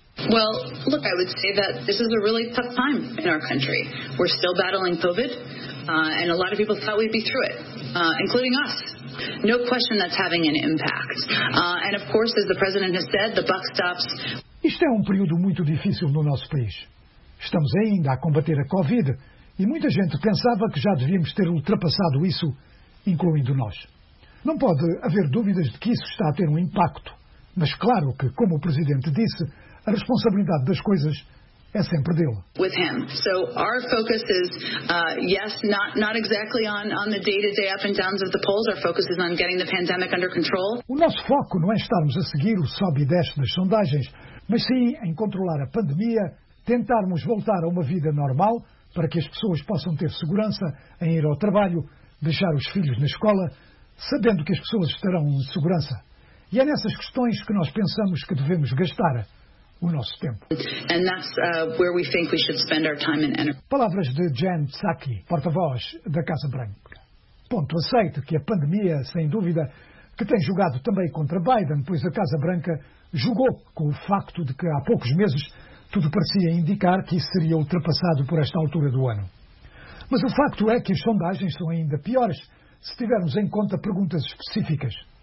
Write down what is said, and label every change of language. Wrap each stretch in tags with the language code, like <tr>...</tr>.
<en>Well, look, I would say that this is a really tough time in our country. We're still battling COVID, and a lot of people thought we'd be through it, including us. No question that's having an impact. And of course, as the president has said, the buck stops.</en> <pt>Isto é um período muito difícil no nosso país. Estamos ainda a combater a Covid e muita gente pensava que já devíamos ter ultrapassado isso, incluindo nós. Não pode haver dúvidas de que isso está a ter um impacto, mas claro que, como o presidente disse, a responsabilidade das coisas é sempre dele.</pt> <en>With him. So our focus is not exactly on the day-to-day up and downs of the polls. Our focus is on getting the pandemic under control.</en> <pt>O nosso foco não é estarmos a seguir o sobe e desce das sondagens, mas sim em controlar a pandemia, tentarmos voltar a uma vida normal para que as pessoas possam ter segurança em ir ao trabalho, deixar os filhos na escola, sabendo que as pessoas estarão em segurança. E é nessas questões que nós pensamos que devemos gastar o nosso tempo.</pt> <en>And that's, where we think we should spend our time and energy.</en> <pt>Palavras de Jen Psaki, porta-voz da Casa Branca. Ponto aceito que a pandemia, sem dúvida, que tem jogado também contra Biden, pois a Casa Branca jogou com o facto de que há poucos meses tudo parecia indicar que isso seria ultrapassado por esta altura do ano. Mas o facto é que as sondagens são ainda piores se tivermos em conta perguntas específicas.</pt>